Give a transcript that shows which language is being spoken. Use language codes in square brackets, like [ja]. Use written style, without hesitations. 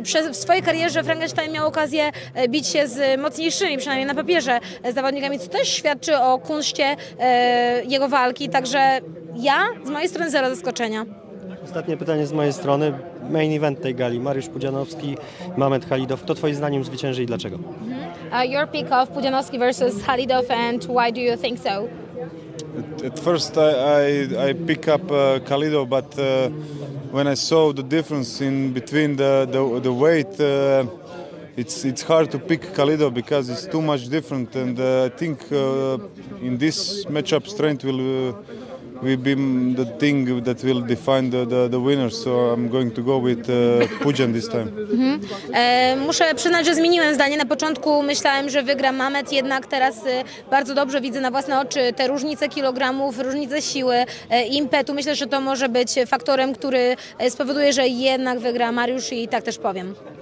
[pl] W swojej karierze Frankenstein miał okazję bić się z mocniejszymi, przynajmniej na papierze, zawodnikami, co też świadczy o kunszcie jego walki, także ja z mojej strony zero zaskoczenia. Ostatnie pytanie z mojej strony, main event tej gali, Mariusz Pudzianowski, Mamed Khalidov, kto twoim zdaniem zwycięży i dlaczego? [en] Your pick of Pudzianowski versus Khalidov and why do you think so? At first I pick up Khalidov, but when I saw the difference in between the weight, it's hard to pick Khalidov because it's too much different, and I think in this matchup strength will be the thing that will define the winner, so I'm going to go with Pudzian this time. [pl] Muszę przyznać, że zmieniłem zdanie. Na początku myślałem, że wygra Mamed, jednak teraz bardzo dobrze widzę na własne oczy te różnice kilogramów, różnice siły, impetu. Myślę, że to może być faktorem, który spowoduje, że jednak wygra Mariusz i tak też powiem.